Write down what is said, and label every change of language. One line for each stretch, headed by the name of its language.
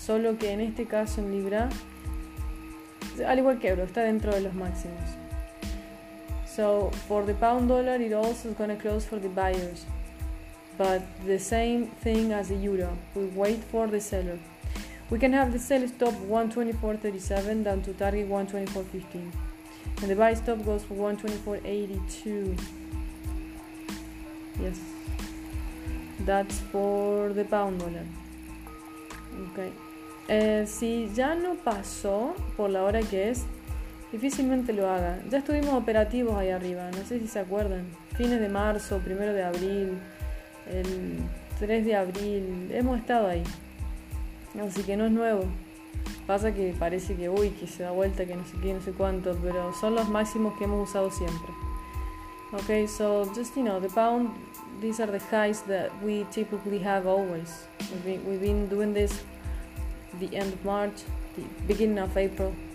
Spanish: Solo que en este caso en libra, al igual que euro, está dentro de los máximos.
English: So, for the pound dollar, it also is going to close for the buyers. But the same thing as the euro. We wait for the seller. We can have the sell stop 1.2437 down to target 1.2415. And the buy stop goes for 1.2482. Yes. That's for the pound dollar. Okay.
Spanish: Si ya no pasó por la hora que es, difícilmente lo haga. Ya estuvimos operativos ahí arriba, no sé si se acuerdan. Fines de marzo, primero de abril, el 3 de abril, hemos estado ahí. Así que no es nuevo. Pasa que parece que, uy, que se da vuelta, que no sé qué, no sé cuánto, pero son los máximos que hemos usado siempre.
English: Okay, so just, you know, the pound, these are the highs that we typically have always. We've been doing this the end of March, the beginning of April.